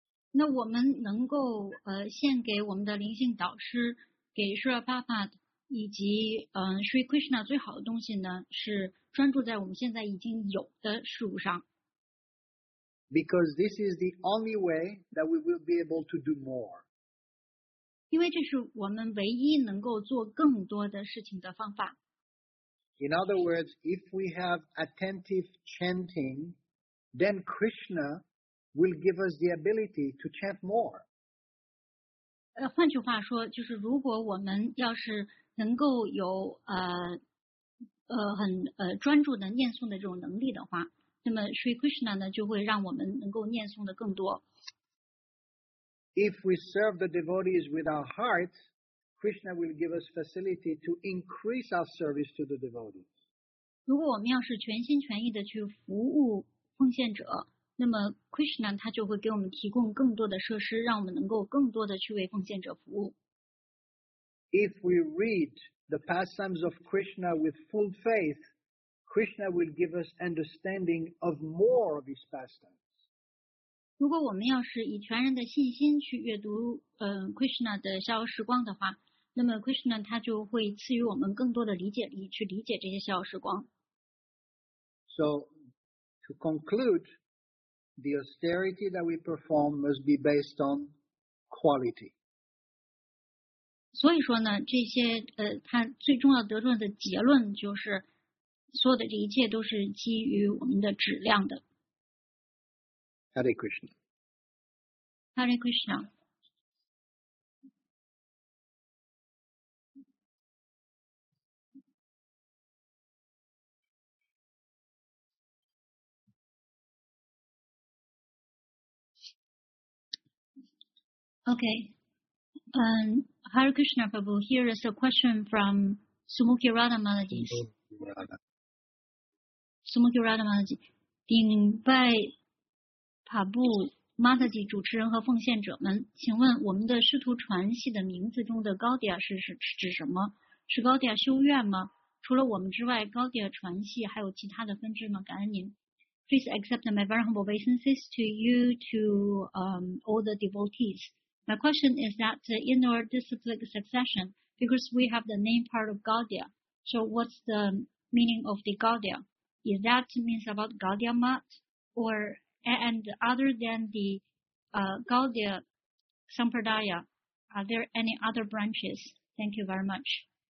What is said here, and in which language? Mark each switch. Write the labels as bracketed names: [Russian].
[Chinese] 那我们能够献给我们的灵性导师，给 Srila Prabhupada 以及Sri Krishna 最好的东西呢，是专注在我们现在已经有的事物上。 [English] Because this is the only way that we will be able to do more. [Chinese] 因为这是我们唯一能够做更多的事情的方法。 [English] In other words, if we have attentive chanting, then Krishna will give us the ability to chant more. [Chinese] 换句话说，就是如果我们要是能够有很专注的念诵的这种能力的话，那么 Sri Krishna 呢就会让我们能够念诵的更多。 [English] If we serve the devotees with our heart, Krishna will give us facility to increase our service to the devotees. [Chinese] 如果我们要是全心全意的去服务奉献者，那么 Krishna 他就会给我们提供更多的设施，让我们能够更多的去为奉献者服务。 [English] If we read the pastimes of Krishna with full faith, Krishna will give us understanding of more of his pastimes. [Chinese] 如果我们要是以全然的信心去阅读Krishna 的逍遥时光的话，那么 Krishna 他就会赐予我们更多的理解力去理解这些逍遥时光。 [English] So, to conclude, the austerity that we perform must be based on quality. [Chinese] 所以说呢，这些它最重要得出的结论就是，所有的这一切都是基于我们的质量的。 [English] Hare Krishna. Hare Krishna. Okay. Hare Krishna Prabhu, here is a question from Sumukhi Radha Maharaji. Sumukhi Radha Maharaji. Dingbai. [Chinese] 卡布马特吉主持人和奉献者们，请问我们的师徒传系的名字中的高迪亚是指什么？是高迪亚修院吗？除了我们之外，高迪亚传系还有其他的分支吗？感恩您。 [English] Please accept my very humble obeisances to you, to all the devotees. My question is that in our disciplic succession, because we have the name part of Gaudiya, so what's the meaning of the Gaudiya? Is that means about Gaudiya Math or? And other than the Gaudiya Sampradaya, are there any other branches? Thank you very much.